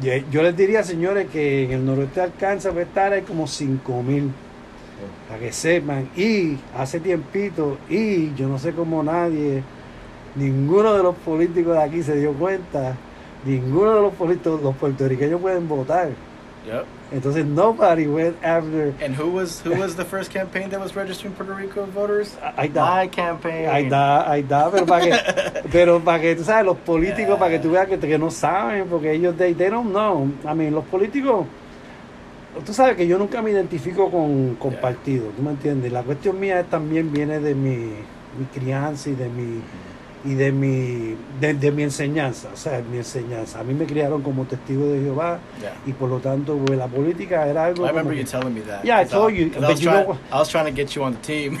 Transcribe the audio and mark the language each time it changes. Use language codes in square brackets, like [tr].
[es] Yo les diría, señores, que en el noroeste alcanza a estar hay como 5,000. Para que sepan. Y hace tiempito, y yo no sé cómo nadie, ninguno de los políticos de aquí se dio cuenta. Ninguno de los políticos, los puertorriqueños pueden votar. [en] Yep. [es] Entonces [en] nobody went after. And who was the first campaign that was registering Puerto Rico voters? My campaign. [es] Aida, pero para que tú sabes, los políticos, para que tú veas que no saben, porque ellos, [en] they don't know. [es] I mean, los políticos, tú sabes que yo nunca me identifico con partido, ¿tú me entiendes? La cuestión mía también viene de mi crianza y de mi enseñanza, o sea, mi enseñanza. A mí me criaron como testigo de Jehová, y por lo tanto, pues, la política era algo. [en] I remember you telling me that. Yeah, I told you. I was trying to get you on the team.